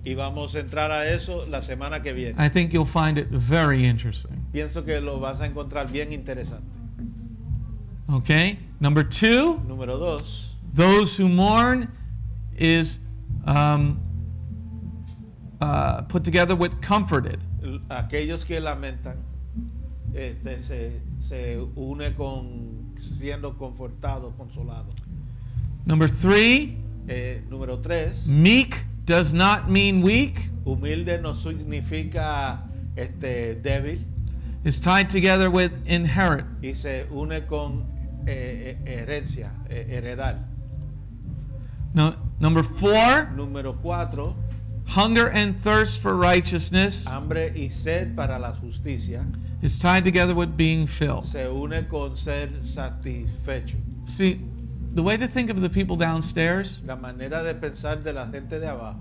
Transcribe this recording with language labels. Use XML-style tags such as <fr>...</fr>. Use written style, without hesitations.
<es>Y vamos a entrar a eso la semana que viene.</es> <en>I think you'll find it very interesting.</en> <es>Pienso que lo vas a encontrar bien interesante.</es> <en>Okay, number 2.</en> <es>Número 2.</es> <en>Those who mourn is put together with comforted.</en> <es>Aquellos que lamentan se une con siendo confortado, consolado.</es> <en>Number 3.</en> <es>Número 3.</es> <en>Meek does not mean weak.</en> <es>Humilde no significa débil.</es> <en>Is tied together with inherit.</en> <es>Y se une con herencia, heredar.</es> <en>Number 4.</en> <es>Número 4.</es> <en>Hunger and thirst for righteousness.</en> <es>Hambre y sed para la justicia.</es> <en>Is tied together with being filled.</en> <es>Se une con ser satisfecho.</es> <en>See, the way to think of the people downstairs,</en> <es>la manera de pensar de la gente de abajo,</es>